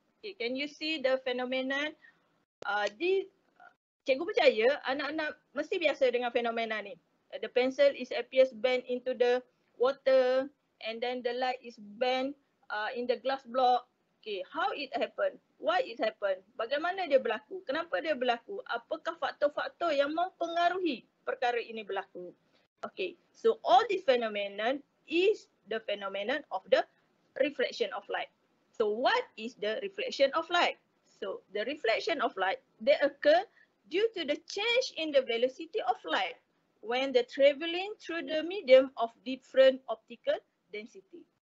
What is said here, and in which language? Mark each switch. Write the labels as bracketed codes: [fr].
[en] Okay, can you see the phenomenon? Cikgu percaya anak-anak mesti biasa dengan fenomena ni. The pencil is appears bent into the water and then the light is bent in the glass block. Okay, how it happen? Why it happen? Bagaimana dia berlaku? Kenapa dia berlaku? [ms] Apakah faktor-faktor yang mempengaruhi perkara ini berlaku? [en] Okay, so all this phenomenon is the phenomenon of the refraction of light. So what is the refraction of light? So the refraction of light, they occur due to the change in the velocity of light when the traveling through the medium of different optical density.